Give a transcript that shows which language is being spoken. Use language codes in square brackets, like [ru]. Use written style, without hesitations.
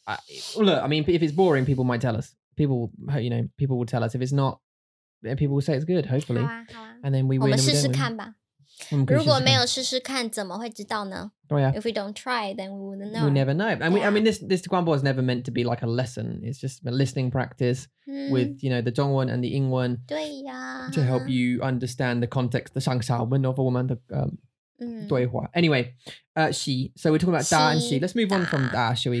[en] So, look, I mean, if it's boring, people might tell us. People will tell us. If it's not, people will say it's good, hopefully. [zh] 好啊, 好啊. [en] And then we win. [zh] 我们试试看吧。如果没有试试看怎么会知道呢? [en] Oh, yeah. If we don't try, then we wouldn't know. We never know. And yeah. I mean, this guanbo is never meant to be like a lesson. It's just a listening practice with, you know, the Zhongwen and the Yingwen to help you understand the context, the Shangsha, when of a woman, the 对话. Anyway, Xi. So we're talking about Da and Xi. Let's move on from Da, shall we?